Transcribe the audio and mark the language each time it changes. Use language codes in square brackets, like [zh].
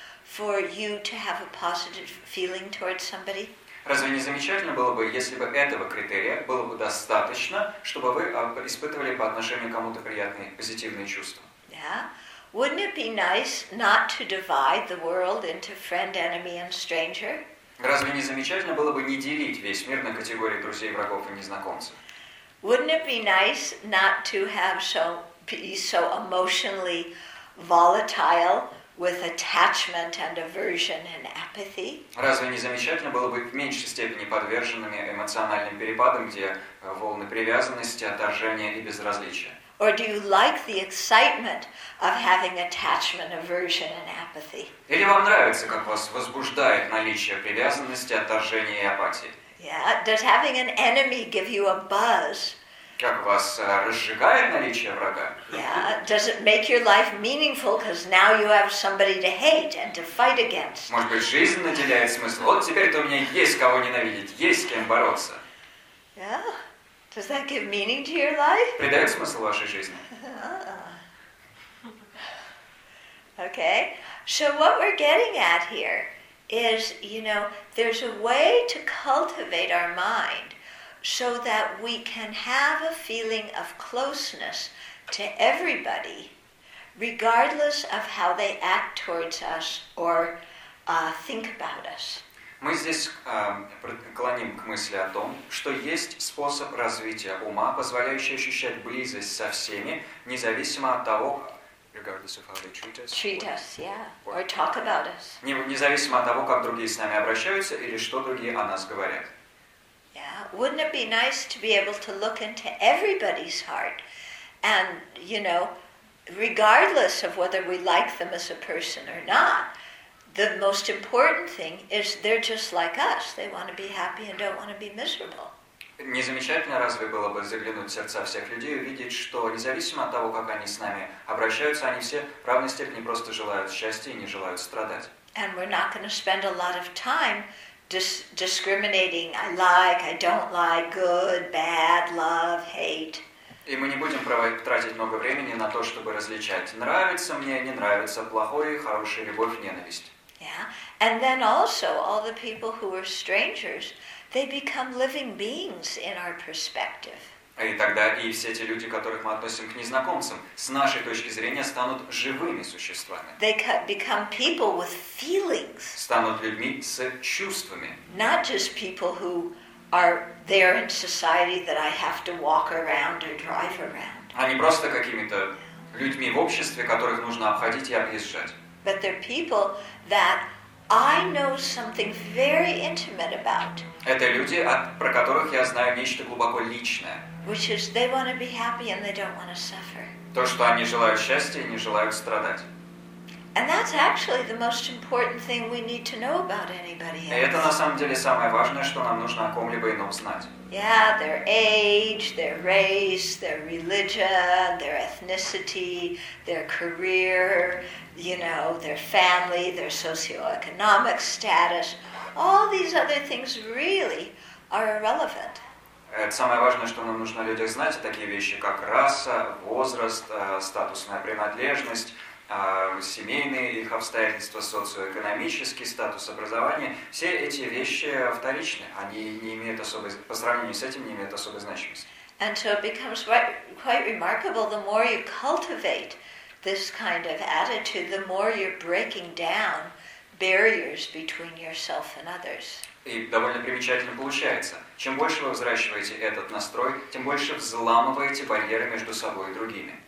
[en] for you to have a positive feeling towards somebody? [ru] Разве не замечательно было бы, если бы этого критерия было бы достаточно, чтобы вы испытывали по отношению к кому-то приятные, позитивные чувства? [en] Yeah. Wouldn't it be nice not to divide the world into friend, enemy, and stranger? [ru] Разве не замечательно было бы не делить весь мир на категории друзей, врагов и незнакомцев? [en] Wouldn't it be nice not to have be so emotionally volatile with attachment and aversion and apathy? [ru] Разве не замечательно было бы в меньшей степени подверженными эмоциональным перепадам, где волны привязанности, отторжения и безразличия? [en] Or do you like the excitement of having attachment, aversion, and apathy? [ru] Или вам нравится, как вас возбуждает наличие привязанности, отторжения и апатии? [en] Yeah. Does having an enemy give you a buzz? [ru] Как вас разжигает наличие врага? [en] Yeah. Does it make your life meaningful because now you have somebody to hate and to fight against? [ru] Может быть, жизнь наделяет смысл. Вот теперь-то у меня есть кого ненавидеть, есть с кем бороться. [en] Yeah. Does that give meaning to your life? [ru] Придает смысл вашей жизни. [en] Okay. So what we're getting at here is, you know, there's a way to cultivate our mind so that we can have a feeling of closeness to everybody, regardless of how they act towards us or think about us. [ru] Мы здесь клоним к мысли о том, что есть способ развития ума, позволяющий ощущать близость со всеми, независимо от того, [en] regardless of how they treat us, or talk about us. [ru] Независимо от того, как другие с нами обращаются или что другие о нас говорят. [en] Yeah, wouldn't it be nice to be able to look into everybody's heart and, you know, regardless of whether we like them as a person or not, the most important thing is they're just like us. They want to be happy and don't want to be miserable. [ru] Не замечательно разве было бы заглянуть в сердца всех людей и увидеть, что независимо от того, как они с нами обращаются, они все в равной степени просто желают счастья и не желают страдать. [en] And we're not going to spend a lot of time discriminating, I like, I don't like, good, bad, love, hate. [ru] И мы не будем тратить много времени на то, чтобы различать, нравится мне, не нравится, плохое, хорошее, любовь, ненависть. [en] Yeah. And then also all the people who are strangers, they become living beings in our perspective. [ru] И тогда и все те люди, которых мы относим к незнакомцам, с нашей точки зрения станут живыми существами. [en] They become people with feelings. [ru] Станут людьми с чувствами. [en] Not just people who are there in society that I have to walk around or drive around. [ru] Они просто какими-то людьми в обществе, которых нужно обходить и объезжать. [en] But they're people that I know something very intimate about. [ru] Это люди, про которых я знаю нечто глубоко личное. [en] Which is they want to be happy and they don't want to suffer. [ru] То, что они желают счастья и не желают страдать. [en] And that's actually the most important thing we need to know about anybody else. [ru] Это на самом деле самое важное, что нам нужно о ком-либо ином знать. [en] Yeah, their age, their race, their religion, their ethnicity, their career, you know, their family, their socioeconomic status. All these other things really are irrelevant. [ru] Это самое важное, что нам нужно о людях знать, такие вещи, как раса, возраст, статусная принадлежность, семейные их обстоятельства, социоэкономический статус, образование, все эти вещи вторичны, они не имеют особой, по сравнению с этим, не имеют особой значимости. [en] And so it becomes quite remarkable, the more you cultivate this kind of attitude, the more you're breaking down barriers between yourself and others. [ru] И довольно примечательно получается, чем больше вы взращиваете этот настрой, тем больше взламываете барьеры между собой и другими.